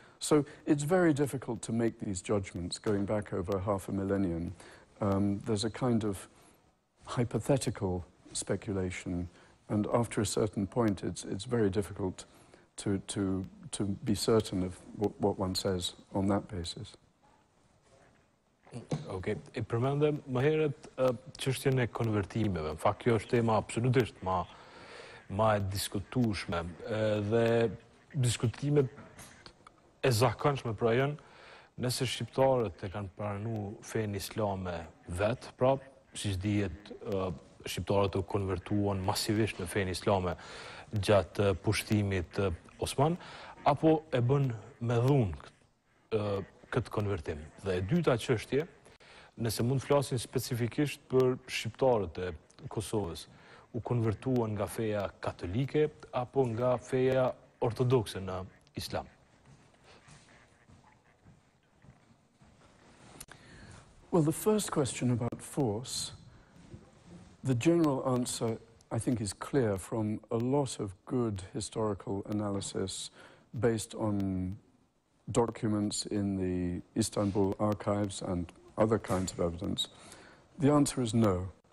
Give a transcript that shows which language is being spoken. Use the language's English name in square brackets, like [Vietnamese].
[English] So it's very difficult to make these judgments going back over half a millennium. There's a kind of hypothetical speculation, and after a certain point, it's very difficult to be certain of what one says on that basis. [Albanian] Okay, e përmendëm më herët çështjen e konvertimeve. Në fakt, kjo është tema absolutisht më e diskutueshme. Dhe diskutimet e zakonshme pra janë nëse shqiptarët e kanë pranuar fenë islame vet, pra, siç dihet, shqiptarët u konvertuan masivisht në fenë islame gjatë pushtimit Osman, apo e bën me dhunë këtë konvertim. Dhe e dyta çështje, nëse mund flasin specifikisht për shqiptarët e Kosovës, u konvertuan nga feja katolike apo nga feja ortodokse në Islam? [English] Well, the first question about force, the general answer I think is clear from a lot of good historical analysis based on documents in the Istanbul archives and other kinds of evidence. The answer is no.